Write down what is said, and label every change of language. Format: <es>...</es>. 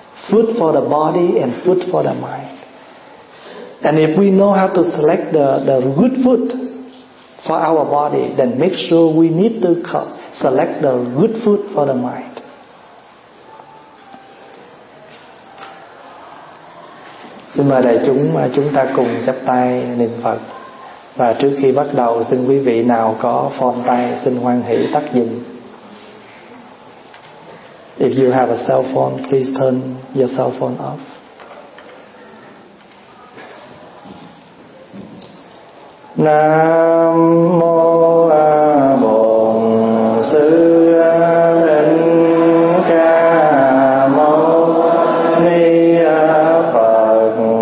<en>Food for the body and food for the mind. And if we know how to select the good food for our body, then make sure we need to select the good food for the mind.</en> <vi>Xin mời đại chúng chúng ta cùng chắp tay niệm Phật. Và trước khi bắt đầu, xin quý vị nào có phone tay xin hoan hỷ tắt dùm.</vi> <en>If you have a cell phone, please turn your cell phone off.</en> <vi>Nam mô A Bổn Sư Thích Ca Mâu Ni Phật.</vi>